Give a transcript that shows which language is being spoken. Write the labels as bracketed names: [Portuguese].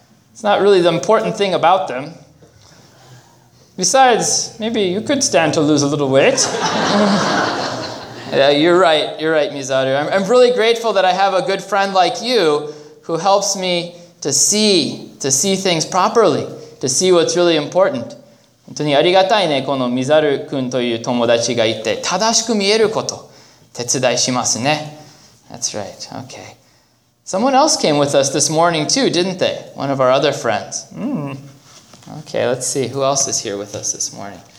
[English] It's not really the important thing about them. Besides, maybe you could stand to lose a little weight. Yeah, you're right, Mizaru. I'm really grateful that I have a good friend like you who helps me to see things properly, to see what's really important. [Japanese] 本当にありがたいね、このミザル君という友達がいて、正しく見えること、手伝いしますね。 [English] That's right, okay. Someone else came with us this morning too, didn't they? One of our other friends. Okay, let's see, who else is here with us this morning?